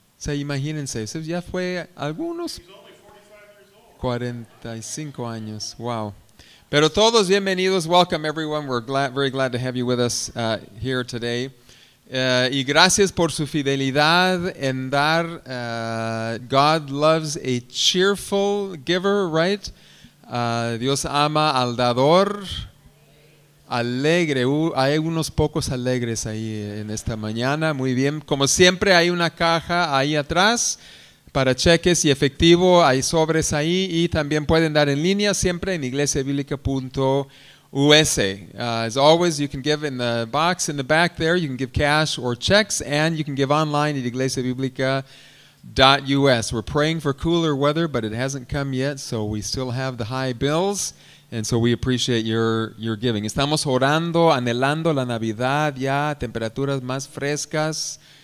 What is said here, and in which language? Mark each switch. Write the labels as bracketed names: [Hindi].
[Spanish] O sea, imagínense, eso ya fue algunos 45 años, [English] wow. [Spanish] Pero todos bienvenidos, [English] welcome everyone, we're glad, very glad to have you with us here today. [Spanish] Y gracias por su fidelidad en dar, [English] God loves a cheerful giver, right? [Spanish] Dios ama al dador alegre. Hay unos pocos alegres ahí en esta mañana, muy bien. Como siempre, hay una caja ahí atrás para cheques y efectivo, hay sobres ahí, y también pueden dar en línea siempre en iglesiabiblica.us. [English] As always, you can give in the box in the back there, you can give cash or checks, and you can give online at iglesiabiblica.us. We're praying for cooler weather, but it hasn't come yet, so we still have the high bills. And so we appreciate your giving. [Spanish] Estamos orando, anhelando la Navidad ya, temperaturas más frescas.